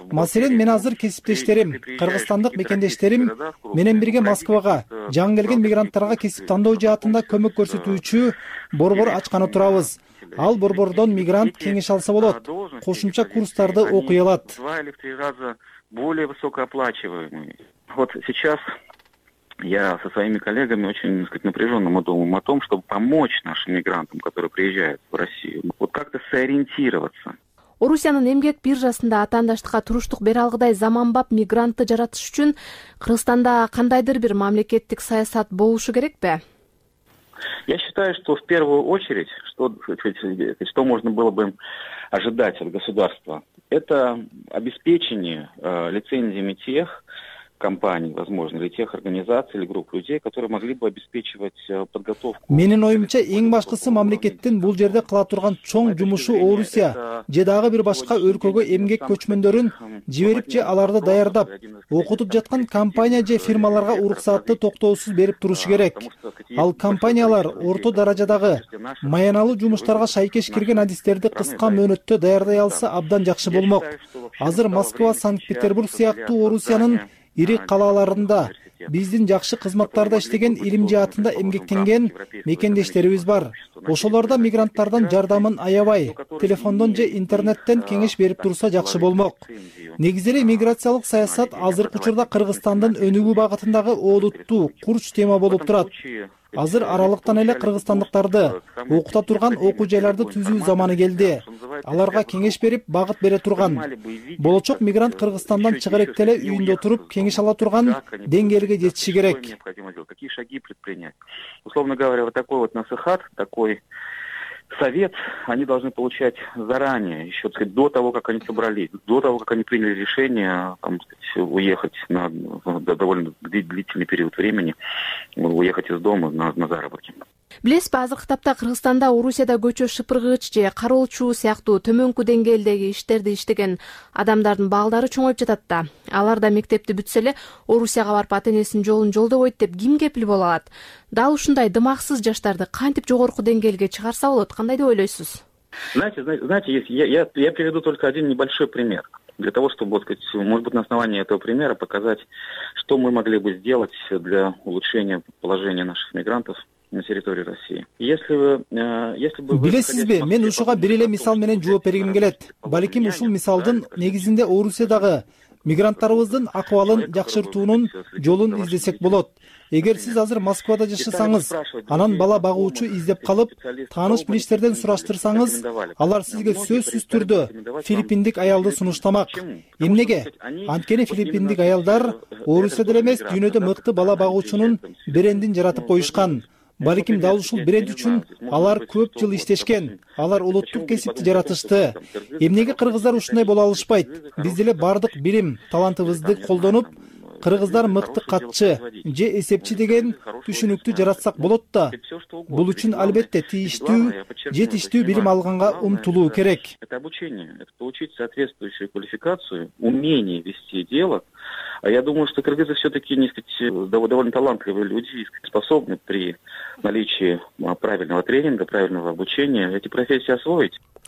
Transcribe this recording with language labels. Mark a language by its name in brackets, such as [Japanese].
[Kyrgyz] Маселен, мен азыр кесиптештерим, кыргызстандык мекендештерим менен бирге Москвага жаңы келген мигранттарга кесип тандоо жаатында көмөк көрсөтүүчү борбор ачканы турабыз. Ал борбордон мигрант кеңеш алса болот, кошумча курстарды окуй алат. [Russian] Вот сейчас я со своими коллегами очень, так сказать, напряженно мы думаем о том, чтобы помочь нашим мигрантам, которые приезжают в Россию, вот как-то сориентироваться. [Kyrgyz] Орусиянын эмгек биржасында атаандаштыкка туруштук бере алгыдай заманбап мигрантты жаратыш үчүн Кыргызстанда кандайдыр бир мамлекеттик саясат болушу керекпи? [Russian] Я считаю, что в первую очередь, что можно было бы ожидать от государства, это обеспечение лицензиями тех компаний, возможно, или тех организаций или групп людей, которые могли бы обеспечивать подготовку. [Kyrgyz] Менин оюмча эң башкысы мамлекеттин бул жерде кыла турган чоң жумушу Орусия же дагы бир башка өлкөгө эмгек көчмөндөрүн жиберип же аларды даярдап окутуп жаткан компания же фирмаларга уруксаатты токтоосуз берип турушу керек. Ал компаниялар орто даражадагы маяналуу жумуштарга шайкеш кирген адистерди кыска мөөнөттө даярдай алса абдан жакшы болмок. Азыр Москва, Санкт-Петербург сыяктуу Орусиянын ири калааларында биздин жакшы кызматтарда иштеген, илим жаатында эмгектенген мекендештерибиз бар. Ошолорда мигранттардан жардамын аябай, телефондон же интернеттен кеңеш берип турса жакшы болмок. Негизинен миграциялык саясат азыркы учурда Кыргызстандын өнүгүү багытындагы олуттуу курч тема болуп турат. Азыр аралыктан эле кыргызстандыктарды окута турган окуу жайларды түзүү заманы келди. Аларга кеңеш берип, багыт бере турган болочок мигрант Кыргызстандан чыга электе эле үйүндө туруп кеңеш ала турган деңгээлге жетиши керек. [Russian] Какие шаги предпринять? Условно говоря, вот такой вот насыхат, такой совет они должны получать заранее, еще, так сказать, до того, как они собрались, до того, как они приняли решение там, так сказать, уехать на довольно длительный период времени, уехать из дома на заработки. [Kyrgyz] Билес базы кытапта Кыргызстанда, Орусияда көчө шыпыргыч же каролчу сыяктуу төмөнкү деңгээлдеги иштерди иштеген адамдардын балдары чоңоюп жатат да. Алар да мектепти бүтсө эле Орусияга барып ата-энесинин жолун жолдобойт деп ким кепил боло алат? Дал ушундай дымаксыз жаштарды кантип жогорку деңгээлге чыгарса болот? Кандай деп ойлойсуз? [Russian] Знаете, я приведу только один небольшой пример. Для того, чтобы, может быть, на основании этого примера показать, что мы могли бы сделать для улучшения положения наших мигрантов на территории России. Если бы [Kyrgyz] билесизби, мен ушуга бир эле мисал менен жооп бергим келет. Балким ушул мисалдын негизинде Орусиядагы мигранттарыбыздын акыбалын жакшыртуунун жолун издесек болот. Эгер сиз азыр Москвада жашасаңыз, анан бала багуучу издеп калып, тааныш билишлерден сураштырсаңыз, алар сизге сөзсүз түрдө филиппиндик аялды сунуштамак. Эмнеге? Анткени филиппиндик аялдар Орусияда эмес, дүйнөдө мыкты бала багуучунун брендин жаратып коюшкан. Балким дал ушул бренд үчүн алар көп жыл иштешкен. Алар улуттук кесипти жаратышты. Эмнеге кыргыздар ушундай боло алышпайт? Биз деле бардык билим, талантыбызды колдонуп, кыргыздар мыкты катчы же эсепчи деген түшүнүктү жаратсак болот да. Бул үчүн албетте тийиштүү, жетиштүү билим алганга умтулуу керек. [Russian] Это обучение, это получить соответствующую квалификацию, умение вести дело. А я думаю, что кыргызы все-таки довольно талантливые люди, способны при наличии правильного тренинга, правильного обучения эти профессии освоить.